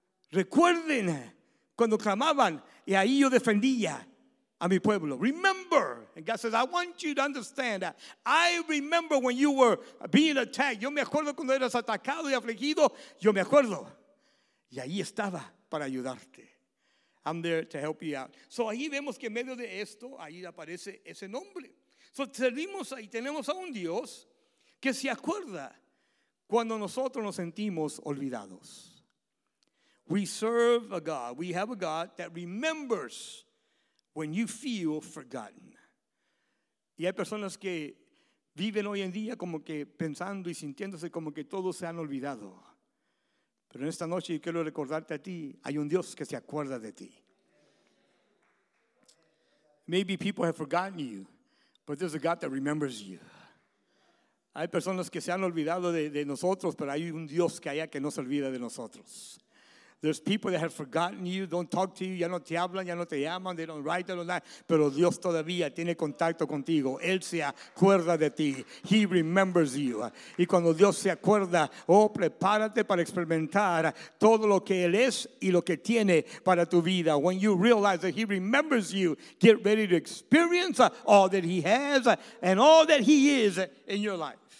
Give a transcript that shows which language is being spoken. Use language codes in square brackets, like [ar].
[es] Recuerden cuando clamaban y ahí yo defendía a mi pueblo. [en] Remember. And God says, I want you to understand that. I remember when you were being attacked. [es] Yo me acuerdo cuando eras atacado y afligido. Yo me acuerdo. Y ahí estaba para ayudarte. [en] I'm there to help you out. [es] So ahí vemos que en medio de esto, ahí aparece ese nombre. So servimos y tenemos a un Dios que se acuerda cuando nosotros nos sentimos olvidados. [en] We serve a God. We have a God that remembers when you feel forgotten. [es] Y hay personas que viven hoy en día como que pensando y sintiéndose como que todos se han olvidado. Pero en esta noche yo quiero recordarte a ti, hay un Dios que se acuerda de ti. [en] Maybe people have forgotten you, but there's a God that remembers you. [es] Hay personas que se han olvidado de nosotros, pero hay un Dios que allá que no se olvida de nosotros. [en] There's people that have forgotten you, don't talk to you, [es] ya no te hablan, ya no te llaman, [en] they don't write, they don't lie, [es] pero Dios todavía tiene contacto contigo. Él se acuerda de ti. [en] He remembers you. [es] Y cuando Dios se acuerda, oh, prepárate para experimentar todo lo que Él es y lo que tiene para tu vida. [en] When you realize that He remembers you, get ready to experience all that He has and all that He is in your life.